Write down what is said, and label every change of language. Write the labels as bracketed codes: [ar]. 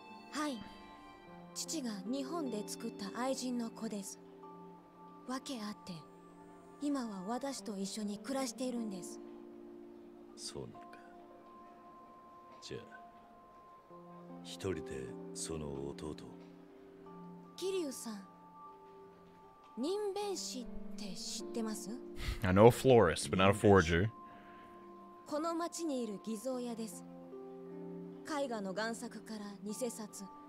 [ja] はい。父が日本で作った愛人の子です。訳あって今は私と一緒に暮らしているんです。そうなのか。じゃあ一人でその弟。キリュウさん。人弁師って知ってます? [en] I know a florist, but not a forger. [ja] この町にいる偽造屋です。絵画の贋作から偽札。